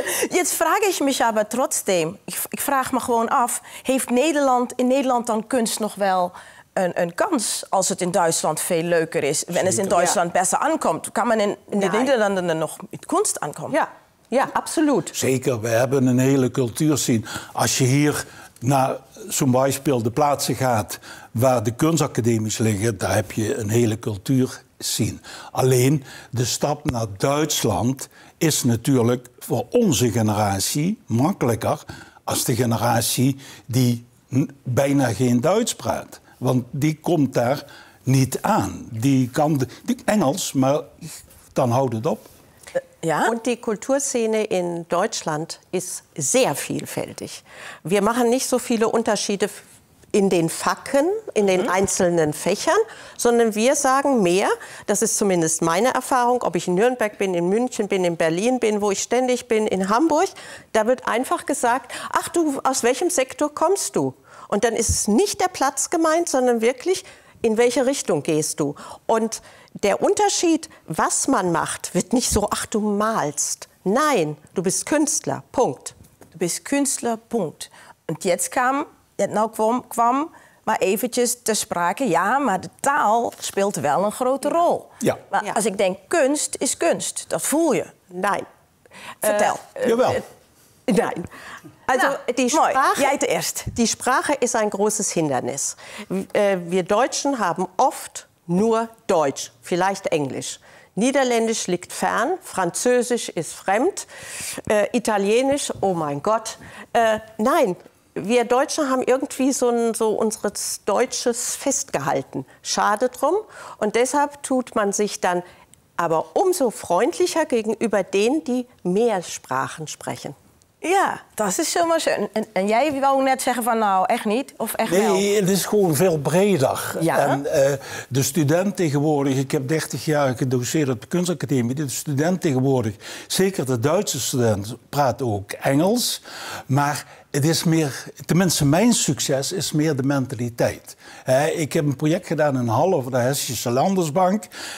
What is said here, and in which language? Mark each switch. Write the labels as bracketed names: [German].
[German] Jetzt frage ich mich aber trotzdem, ich frage mich [Dutch] gewoon af, heeft Nederland in Nederland dann Kunst noch wel een Kans, als het in [German] Deutschland viel leuker ist, wenn es in Deutschland besser ankommt? Kann man in den Niederlanden noch mit Kunst ankommen? Ja, ja, absolut. [Dutch] Zeker, [German] wir haben eine hele Kulturszene. [Dutch] Als je hier naar [German] zum Beispiel [Dutch] de plaatsen gaat, waar de kunstacademies liggen, daar heb je een hele cultuur. Zien. Alleen de stap naar Duitsland is natuurlijk voor onze generatie makkelijker als de generatie die bijna geen Duits praat. Want die komt daar niet aan. Die kan die Engels, maar dan houdt het op. Ja? [German] Und die Kulturszene in Deutschland ist sehr vielfältig. Wir machen nicht so viele Unterschiede in den Facken, in den einzelnen Fächern, sondern wir sagen mehr, das ist zumindest meine Erfahrung, ob ich in Nürnberg bin, in München bin, in Berlin bin, wo ich ständig bin, in Hamburg, da wird einfach gesagt, ach du, aus welchem Sektor kommst du? Und dann ist es nicht der Platz gemeint, sondern wirklich, in welche Richtung gehst du? Und der Unterschied, was man macht, wird nicht so, ach du malst. Nein, du bist Künstler, Punkt. Du bist Künstler, Punkt. Und jetzt kam [Dutch] kwam maar eventjes ter sprake, ja, maar de taal speelt wel een grote rol. Ja. Maar ja. Als ik denk, kunst is kunst, dat voel je. [German] Nein. [Dutch] Vertel. Jawel. [German] Nein. Also, ja, die Sprache, [Dutch] jij het eerst. [German] Die Sprache [Dutch] is een [German] großes Hindernis. Wir Deutschen haben oft nur Deutsch, vielleicht Englisch. Niederländisch liegt fern, Französisch ist fremd, Italienisch, oh mein Gott. Nein. Wir Deutschen haben irgendwie so unser Deutsches festgehalten. Schade drum. Und deshalb tut man sich dann aber umso freundlicher gegenüber denen, die mehr Sprachen sprechen. Ja, das ist schon mal schön. Und [Dutch] jij wou net sagen, van, nou, echt nicht? Of echt nee, wel? [German] Es ist [Dutch] gewoon viel breder. Ja? En, de student tegenwoordig, [German] ich habe 30 Jahre [Dutch] gedoseerd op de Kunstakademie, de student tegenwoordig, zeker de Duitse student, praat ook Engels. Maar het is meer, tenminste mijn succes is meer de mentaliteit. He, ik heb een project gedaan in Halle voor de Hessische Landesbank.